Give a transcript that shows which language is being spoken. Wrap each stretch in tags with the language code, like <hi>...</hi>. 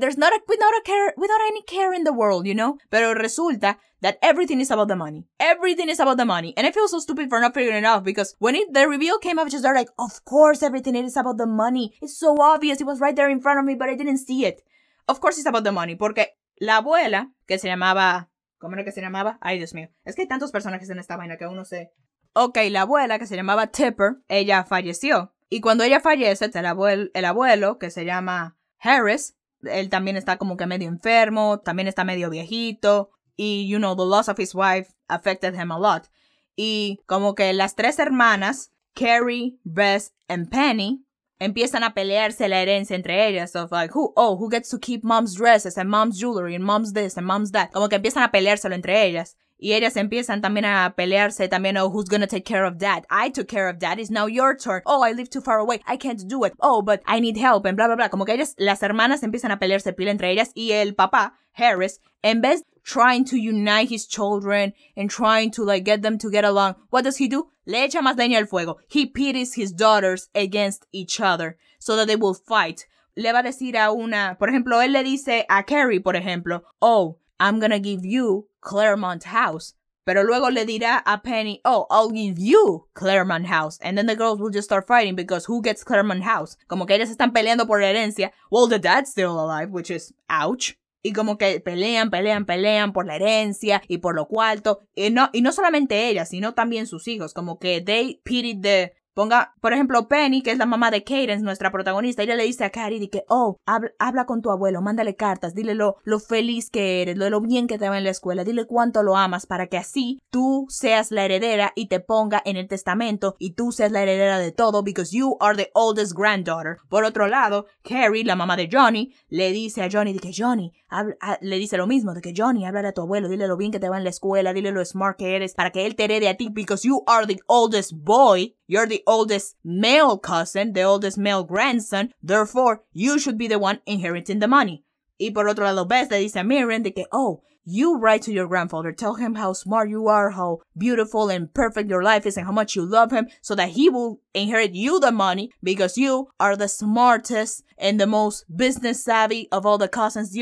<en>There's not a, without any care in the world, you know?</en> <es>Pero resulta</es> <en>that everything is about the money. Everything is about the money. And I feel so stupid for not figuring it out because when the reveal came up, just they're like, of course everything is about the money. It's so obvious. It was right there in front of me, but I didn't see it. Of course it's about the money.</en> <es>Porque La abuela, que se llamaba... ¿Cómo era que se llamaba? Ay, Dios mío. Es que hay tantos personajes en esta vaina que uno se... Ok, la abuela, que se llamaba Tipper, ella falleció. Y cuando ella fallece, el abuelo, que se llama Harris, él también está como que medio enfermo, también está medio viejito.</es> <en>Y, you know, the loss of his wife affected him a lot.</en> <es>Y como que las tres hermanas, Carrie, Bess, and Penny, empiezan a pelearse la herencia entre ellas.</es> <en>Of like, who gets to keep mom's dresses and mom's jewelry and mom's this and mom's that.</en> <es>Como que empiezan a peleárselo entre ellas. Y ellas empiezan también a pelearse también,</es> <en>oh, who's gonna take care of dad? I took care of dad, it's now your turn. Oh, I live too far away, I can't do it. Oh, but I need help, and</en> <es>bla, bla, bla. Como que ellas, las hermanas empiezan a pelearse pila entre ellas. Y el papá, Harris, en vez de</es> <en>trying to unite his children and trying to, like, get them to get along, what does he do?</en> <es>Le echa más leña al fuego.</es> <en>He pits his daughters against each other so that they will fight.</en> <es>Le va a decir a una, por ejemplo, él le dice a Carrie, por ejemplo, oh,</es> <en>I'm gonna give you Claremont House.</en> <es>Pero luego le dirá a Penny, oh,</es> <en>I'll give you Claremont House. And then the girls will just start fighting because who gets Claremont House?</en> <es>Como que ellas están peleando por herencia.</es> <en>Well, the dad's still alive, which is, ouch.</en> <es>Y como que pelean por la herencia y por lo cuarto. Y no solamente ellas, sino también sus hijos. Como que</es> <en>they pitied the...</en> <es>Ponga, por ejemplo, Penny, que es la mamá de Cadence, nuestra protagonista, ella le dice a Carrie de que, oh, habla con tu abuelo, mándale cartas, dile lo feliz que eres, lo bien que te va en la escuela, dile cuánto lo amas para que así tú seas la heredera y te ponga en el testamento y tú seas la heredera de todo</es> <en>because you are the oldest granddaughter.</en> <es>Por otro lado, Carrie, la mamá de Johnny, le dice a Johnny de que le dice lo mismo, de que Johnny, habla a tu abuelo, dile lo bien que te va en la escuela, dile lo smart que eres para que él te herede a ti</es> <en>because you are the oldest boy. You're the oldest male cousin, the oldest male grandson. Therefore, you should be the one inheriting the money.</en> <es>Y por otro lado, Bess le dice a Miriam de que, oh,</es> <en>you write to your grandfather. Tell him how smart you are, how beautiful and perfect your life is, and how much you love him, so that he will inherit you the money, because you are the smartest and the most business savvy of all the cousins.</en>